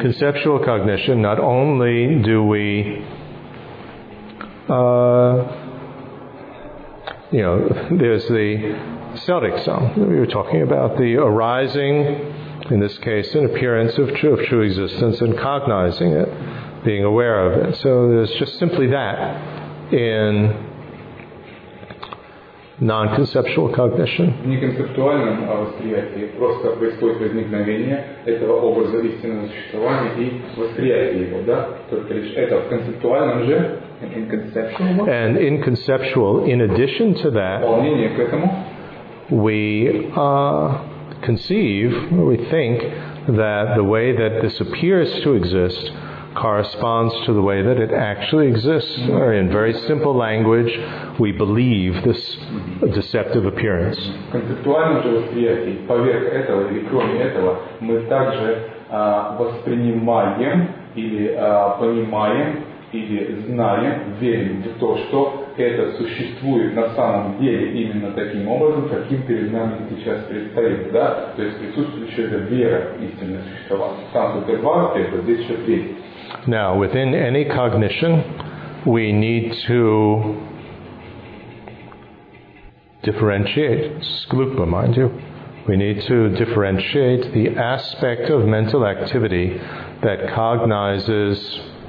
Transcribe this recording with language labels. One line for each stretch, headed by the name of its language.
English: Conceptual cognition, not only do we there's the Celtic song that we were talking about, the arising, in this case, an appearance of true existence and cognizing it. Being aware of it. So there's just simply that in non-conceptual cognition.
Russian: Не концептуальном восприятии, просто происходит возникновение этого образа истинного существования и восприятие его, да? Только лишь это в концептуальном же,
English: in conceptual. And in conceptual, in addition to that,
Russian: дополнение к этому,
English: we conceive, or we think, that the way that this appears to exist corresponds to the way that it actually exists. Or in very simple language, we believe this deceptive appearance.
Russian: Концептуально же восприятие, поверх этого или кроме этого, мы также воспринимаем или понимаем или знаем, верим в то, что это существует на самом деле именно таким образом, каким перед нами сейчас предстоит, да? То есть присутствует еще эта вера истинное существование. Там только два аспекта, здесь еще три.
English: Now, within any cognition, we need to differentiate, sklupa, mind you, we need to differentiate the aspect of mental activity that cognizes